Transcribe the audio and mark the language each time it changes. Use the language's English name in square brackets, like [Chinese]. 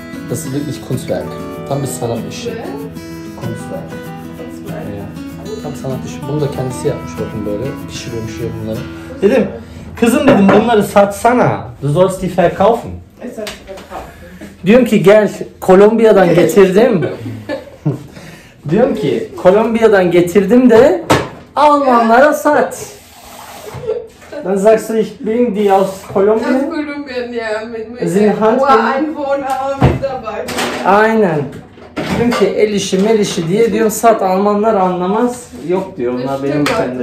[German] Das ist wirklich Kunstwerk. [Turkish] Tam bir sanat işi. Evet. usta. Tam sanat işi. Bunu da kendisi yapmış bakın böyle. Pişirmiş ya bunları. Dedim, kızım dedim bunları satsana. [German] Du sollst die verkaufen. [Turkish] Diyorum ki gel Kolombiya'dan getirdim. Diyorum ki Kolombiya'dan getirdim de Almanlara sat. [German] Dann sagst du, ich bin die aus Kolumbien. Aus Kolumbien, ja. Sie hat nur Einwohner mit dabei. [Turkish] Aynen. Diyorum ki elişi melişi diye diyorum sat Almanlar anlamaz. Yok diyor onlar benim kendi